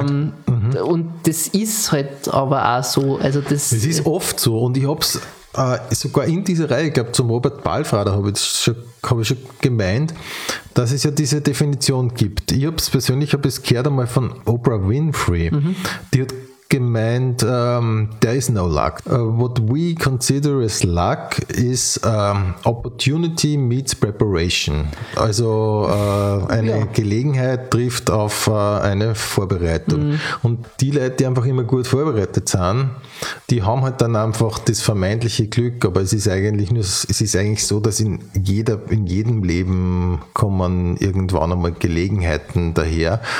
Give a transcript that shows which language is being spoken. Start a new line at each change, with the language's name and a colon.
German: Und das ist halt aber auch so. Also das ist oft so und ich habe es sogar in dieser Reihe, ich glaube zum Robert Balfrader habe ich schon gemeint, dass es ja diese Definition gibt. Ich habe es persönlich gehört einmal von Oprah Winfrey. Die hat gemeint,
English: there is no luck. What we consider as luck is opportunity meets preparation.
German: Also eine Gelegenheit trifft auf eine Vorbereitung. Mhm. Und die Leute, die einfach immer gut vorbereitet sind, die haben halt dann einfach das vermeintliche Glück. Aber es ist eigentlich nur, es ist eigentlich so, dass in jedem Leben kommen irgendwann einmal Gelegenheiten daher.